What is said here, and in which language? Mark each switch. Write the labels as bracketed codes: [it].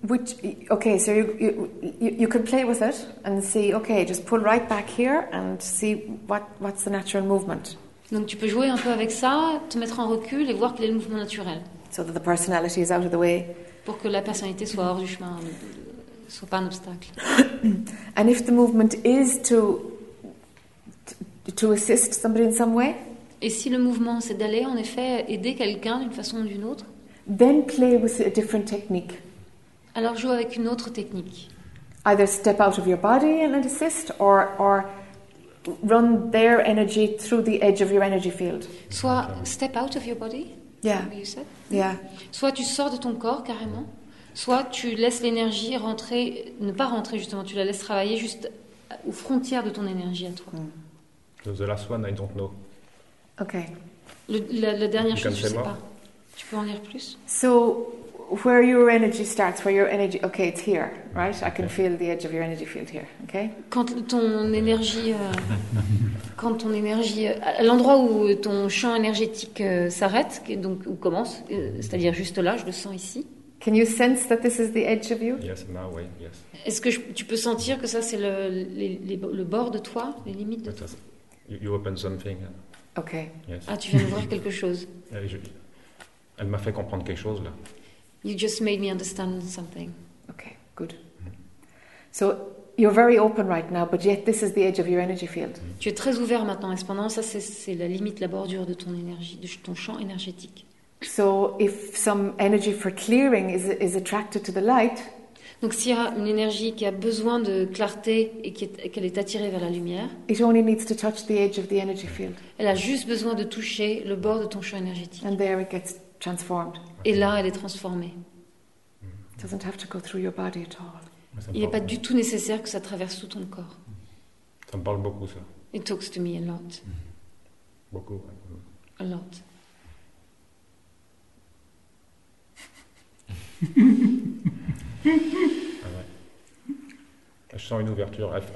[en] Which, okay, so you can play with it and see, okay, just pull right back here and see what's the natural movement. [fr] Donc tu peux jouer un peu avec ça, te mettre en recul et voir quel est le mouvement naturel. [en] So that the personality is out of the way. [fr] Pour que la personnalité soit hors du chemin, soit pas un obstacle. [en] And if the movement is to assist somebody in some way. [fr] Et si le mouvement c'est d'aller en effet aider quelqu'un d'une façon ou d'une autre. [en] Then play with a different technique. [fr] Alors joue avec une autre technique. [en] Either step out of your body and assist, or run their energy through the edge of your energy field. Soit step out of your body. Yeah. What you said. Yeah. [fr] Soit tu sors de ton corps carrément. Soit tu laisses l'énergie rentrer, ne pas rentrer justement. Tu la laisses travailler juste aux frontières de ton énergie à toi. [en] The last one, I don't know. Okay. [fr] La dernière chose, je sais pas. Tu peux en lire plus? [en] So, where your energy starts, where your energy, okay, it's here, right? I can feel the edge of your energy field here, okay? [fr] Quand ton énergie, à l'endroit où ton champ énergétique s'arrête, donc où commence, c'est-à-dire juste là, je le sens ici. [en] Can you sense that this is the edge of you? Yes, in my way, yes. [fr] Est-ce que tu peux sentir que ça c'est le bord de toi, les limites de toi? [en] You open something. Okay. Yes. [fr] Ah, tu viens d'ouvrir quelque chose. Elle m'a fait comprendre quelque chose là. [en] You just made me understand something. Okay, good. So you're very open right now, but yet this is the edge of your energy field. [fr] Tu es très ouvert maintenant, et cependant ça c'est la limite, la bordure de ton énergie, de ton champ énergétique. [en] So if some energy for clearing is attracted to the light. [fr] Donc s'il y a une énergie qui a besoin de clarté et qu'elle est attirée vers la lumière. [en] It only needs to touch the edge of the energy field. [fr] Elle a juste besoin de toucher le bord de ton champ énergétique. [en] And there it gets transformed. [fr] Et là, elle est transformée. [en] It doesn't have to go through your body at all. [fr] Il n'est pas du tout nécessaire que ça traverse tout ton corps. Ça me parle beaucoup, ça. [en] It talks to me a lot. [fr] Beaucoup. [en] A lot. [fr] Ah ouais. Je sens une ouverture.